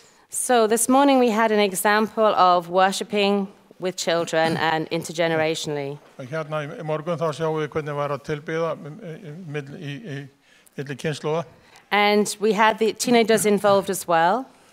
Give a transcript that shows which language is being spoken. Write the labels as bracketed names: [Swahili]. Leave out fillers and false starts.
[English] So this morning we had an example of worshiping with children and intergenerationally. [Icelandic] Hérna í morgun þá sjáum við hvernig var að tilbiða milli kynslóða. [English] And we had the teenagers involved as well.